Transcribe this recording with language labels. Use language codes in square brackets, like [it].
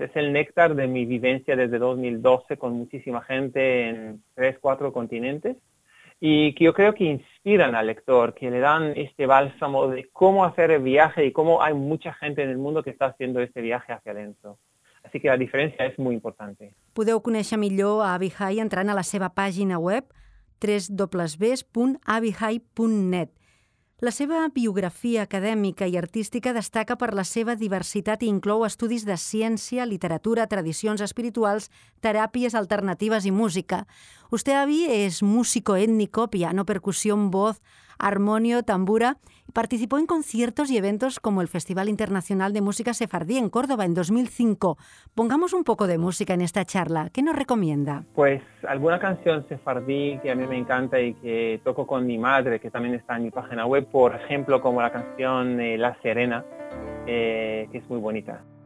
[es] Es el néctar de mi vivencia desde 2012 con muchísima gente en 3-4 continentes. Y que yo creo que inspiran al lector, que le dan este bálsamo de cómo hacer el viaje y cómo hay mucha gente en el mundo que está haciendo este viaje hacia adentro. Así que la diferencia es muy importante. [ca] Podeu conèixer millor a Abhi Hai entrant a la seva pàgina web www.abhihai.net. La seva biografia acadèmica i artística destaca per la seva diversitat i inclou estudis de ciència, literatura, tradicions espirituals, teràpies alternatives i música. [es] Usted, avi, és músico étnico, piano, percusión, voz, armonio, tambura. Participó en conciertos y eventos como el Festival Internacional de Música Sefardí en Córdoba en 2005. Pongamos un poco de música en esta charla. ¿Qué nos recomienda? Pues alguna canción sefardí que a mí me encanta y que toco con mi madre, que también está en mi página web, por ejemplo, como la canción La Serena, que es muy bonita.